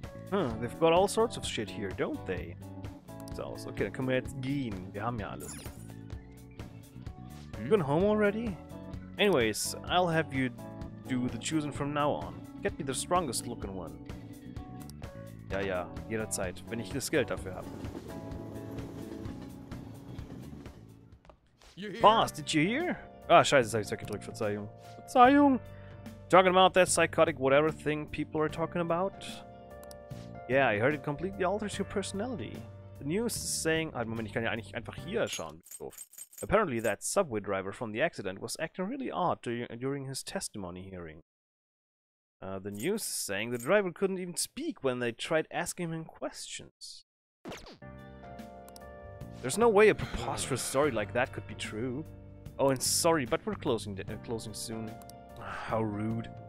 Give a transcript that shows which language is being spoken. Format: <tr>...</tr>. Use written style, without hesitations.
<en>Hm, they've got all sorts of shit here, don't they? So, okay,</en> <de>dann können wir jetzt gehen. Wir haben ja alles.</de> <en>You gone home already? Anyways, I'll have you do the choosing from now on. Get me the strongest looking one.</en> <de>Ja, ja, jederzeit, wenn ich das Geld dafür habe.</de> <en>Boss, did you hear?</en> <de>Ah, scheiße, das habe ich weggedrückt, Verzeihung. Verzeihung!</de> <en>Talking about that psychotic whatever thing people are talking about? Yeah, I heard it completely alters your personality. The news is saying...</en> <de>Halt, Moment, ich kann ja eigentlich einfach hier schauen.</de> <en>Apparently that subway driver from the accident was acting really odd during his testimony hearing. The news is saying the driver couldn't even speak when they tried asking him questions. There's no way a preposterous story like that could be true. Oh, and sorry, but we're closing soon. How rude.</en>